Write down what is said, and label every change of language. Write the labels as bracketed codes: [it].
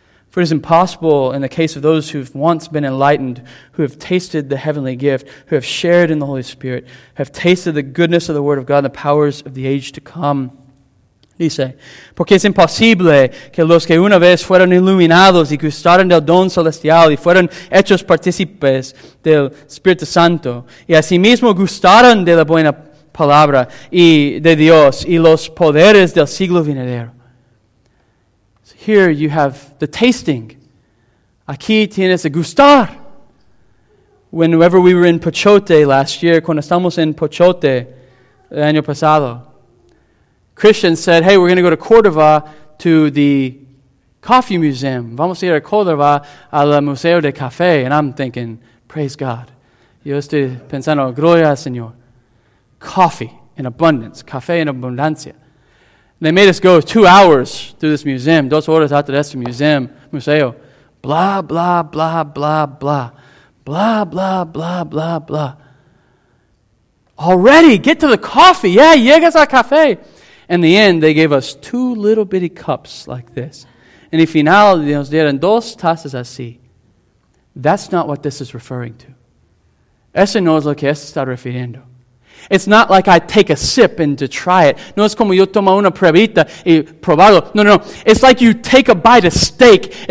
[en] For it is impossible in the case of those who have once been enlightened, who have tasted the heavenly gift, who have shared in the Holy Spirit, have tasted the goodness of the Word of God and the powers of the age to come. [es] Dice, porque es imposible que los que una vez fueron iluminados y gustaron del don celestial y fueron hechos partícipes del Espíritu Santo y asimismo gustaron de la buena palabra y de Dios y los poderes del siglo venidero. [en] So here you have the tasting. [es] Aquí tienes el gustar. [en] Whenever we were in Pochote last year, [es] cuando estamos en Pochote el año pasado, [en] Christian said, hey, we're going to go to Cordova to the coffee museum. [es] Vamos a ir a Cordova al Museo de Café. [en] And I'm thinking, praise God. [es] Yo estoy pensando, gloria al Señor. [en] Coffee in abundance. [es] Café en abundancia. [en] They made us go 2 hours through this museum. [es] 2 horas after este museum, museo. Blah, blah, blah, blah, blah. [en] Blah, blah, blah, blah, blah. Already, get to the coffee. [es] Yeah, llegas al café. [en] In the end, they gave us 2 little bitty cups like this. [es] En el final, nos dieron 2 tazas así. [en] That's not what this is referring to. [es] Eso no es lo que esto está refiriendo. [en] It's not like I take a sip and to try it. [es] No es como yo tomo una pruebita y probarlo. No, no, no. [en] It's like you take a bite of steak.